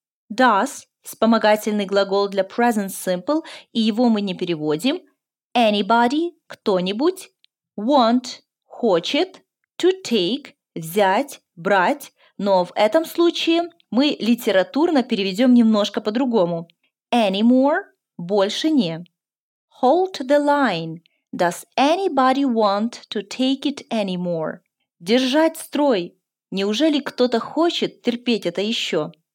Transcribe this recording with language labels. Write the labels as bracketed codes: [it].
[en] Does [ru] – вспомогательный глагол для present simple, и его мы не переводим. [en] Anybody [ru] – кто-нибудь. [en] Want [ru] – хочет. [en] To take [ru] – взять, брать. Но в этом случае мы литературно переведем немножко по-другому. [en] Anymore [ru] – больше не. [en] Hold the line. Does anybody want to take it anymore? [ru] Держать строй. Неужели кто-то хочет терпеть это еще?